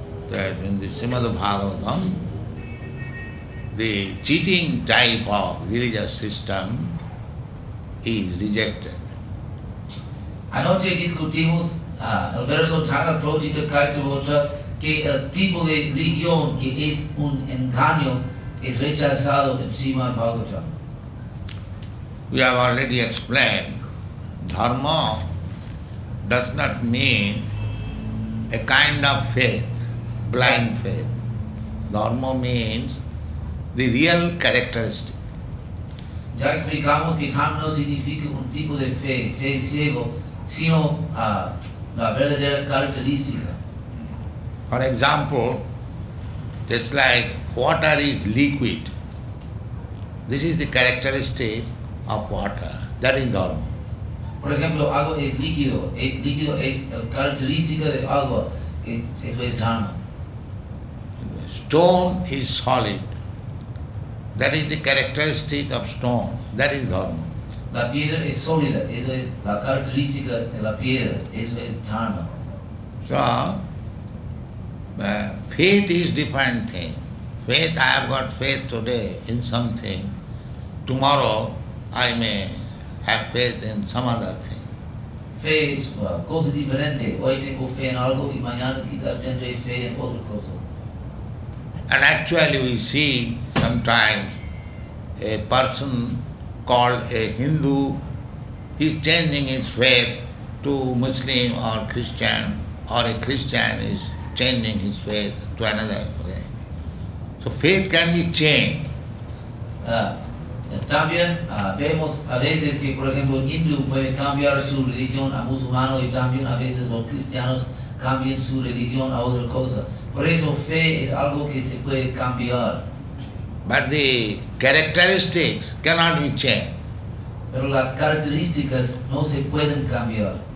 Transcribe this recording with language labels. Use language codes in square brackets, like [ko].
[en] That in the Srimad Bhagavatam, the cheating type of religious system is rejected. [es] Anoche discutimos el verso Dharma Prujita Kaita Vatra, que el tipo de religión que es un engaño es rechazado en Srimad Bhagavatam. [en] We have already explained, dharma does not mean a kind of faith. Blind faith. Dharma means the real characteristic. [es] Ya explicamos que dharma no significa un tipo de fe, fe ciego, sino la verdadera característica. [en] For example, just like water is liquid. This is the characteristic of water. That is dharma. [es] Por ejemplo, agua es líquido. El líquido es la característica de agua. Eso es dharma. [en] Stone is solid. That is the characteristic of stone. That is dharma. [es] La piedra es sólida. Eso es la característica de la piedra. Eso es dharma. [en] So, faith is different thing. Faith, I have got faith today in something. Tomorrow, I may have faith in some other thing. [es] Fe es cosa diferente. Hoy tengo fe en algo y mañana quizás tendré fe en otra cosa. [en] And actually we see sometimes a person called a Hindu, he's changing his faith to Muslim or Christian, or a Christian is changing his faith to another way. So faith can be changed. [es] También vemos a veces que, por ejemplo, un Hindu puede cambiar su religión a musulmano y también a veces los cristianos cambian su religión a otra cosa. Por eso fe es algo que se puede cambiar. [en] But the characteristics cannot be changed. [es] Pero las características no se pueden cambiar.